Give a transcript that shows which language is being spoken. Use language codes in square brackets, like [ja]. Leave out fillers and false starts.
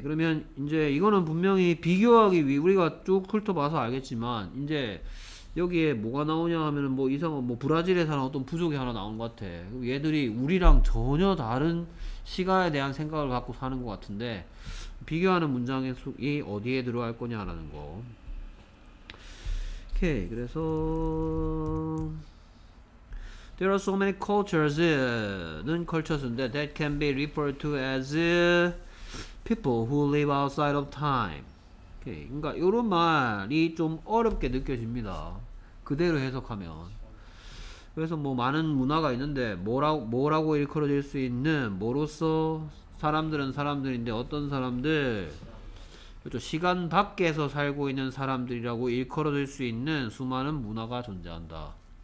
[ko] 그러면 이제 이거는 분명히 비교하기 위해 우리가 쭉 훑어봐서 알겠지만 이제 여기에 뭐가 나오냐 하면은 뭐 이상한 뭐 브라질에 사는 어떤 부족이 하나 나온 것 같아. 얘들이 우리랑 전혀 다른 시간에 대한 생각을 갖고 사는 것 같은데 비교하는 문장의 속이 어디에 들어갈 거냐라는 거. 오케이. 그래서 [en] There are so many cultures 는 cultures인데 that can be referred to as people who live outside of time. Okay. [ko] 그러니까 이런 말이 좀 어렵게 느껴집니다. 그대로 해석하면. 그래서 뭐 많은 문화가 있는데 뭐라고 일컬어질 수 있는 뭐로서 사람들은 사람들인데 어떤 사람들 그렇죠. 시간 밖에서 살고 있는 사람들이라고 일컬어질 수 있는 수많은 문화가 존재한다.